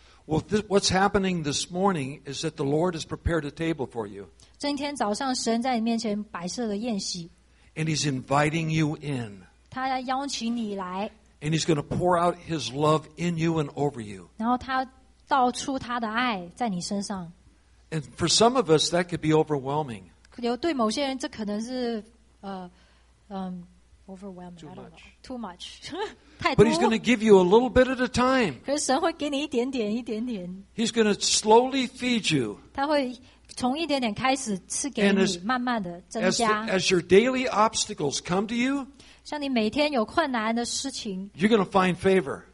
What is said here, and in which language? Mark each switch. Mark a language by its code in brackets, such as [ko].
[en] Well, what's happening this morning is that the Lord has prepared a table for you. [zh] 今天早上神在你面前摆设了宴席。 [en] And He's inviting you in. And He's going to pour out His love in you and over you. And for some of us, that could be overwhelming. 对某些人这可能是, overwhelming. Too much. Too much. But He's going to give you a little bit at a time. He's going to slowly feed you. [zh] 从一点点开始赐给你，慢慢的增加。 [en] As your daily obstacles come to you, you're going to find favor.